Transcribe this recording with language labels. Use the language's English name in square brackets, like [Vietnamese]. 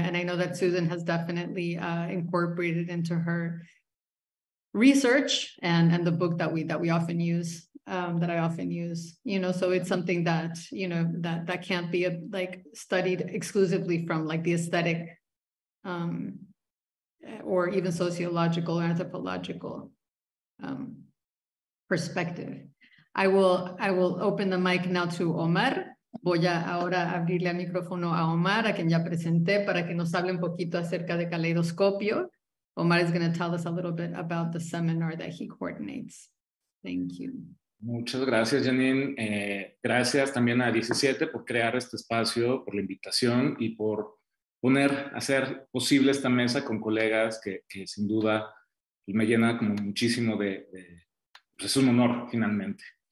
[English] And I know that Susan has definitely incorporated into her research and the book that we often use, that I often use, you know, so it's something that, you know, that can't be studied exclusively from like the aesthetic or even sociological or anthropological perspective. I will open the mic now to Omar. [Spanish] Voy a ahora abrirle el micrófono a Omar, a quien ya presenté, para que nos hable un poquito acerca de Caleidoscopio. [English] Omar is going to tell us a little bit about the seminar that he coordinates. Thank you. [Spanish] Muchas gracias, Janine. Gracias también a 17 por crear este espacio, por la invitación y por hacer posible esta mesa con colegas que sin duda pues me llena como muchísimo de pues es un honor finalmente.